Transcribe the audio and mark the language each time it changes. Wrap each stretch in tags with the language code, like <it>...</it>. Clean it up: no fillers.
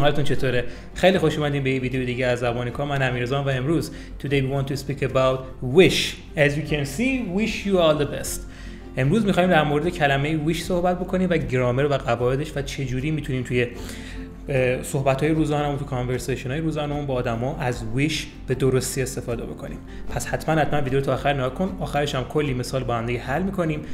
<fa>حالتون چطوره؟ خیلی خوش اومدین به این ویدیو دیگه از زبان کار. من امیرزام و امروز</fa> <en>Today we want to speak about wish. As you can see, wish you all the best.</en> <fa>امروز میخواییم در مورد کلمه wish صحبت بکنیم و گرامر و قواعدش و چجوری میتونیم توی صحبت‌های روزانه‌مون تو کانورسیشن‌های روزانه‌مون با آدم‌ها از wish به درستی استفاده بکنیم. پس حتما ویدیو تا آخر نگاه کن. آخرش هم کلی مثال با هم دیگه حل می‌کنیم.</fa>